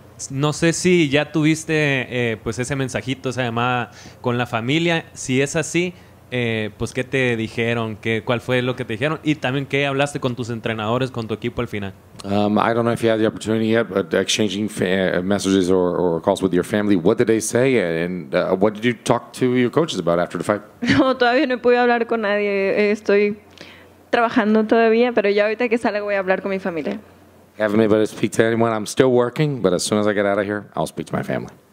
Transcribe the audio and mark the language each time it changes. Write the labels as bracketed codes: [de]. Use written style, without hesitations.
[es] No sé si ya tuviste pues ese mensajito, esa llamada con la familia. Si es así, pues ¿qué te dijeron? ¿Cuál fue lo que te dijeron? Y también, ¿qué hablaste con tus entrenadores, con tu equipo al final? [en] I don't know if you had the opportunity yet, but exchanging messages or calls with your family, what did they say? And what did you talk to your coaches about after the fight? [es] No, todavía no pude hablar con nadie. Estoy trabajando todavía, pero ya ahorita que salgo voy a hablar con mi familia. [en] Haven't been able to speak to anyone. I'm still working, but as soon as I get out of here, I'll speak to my family.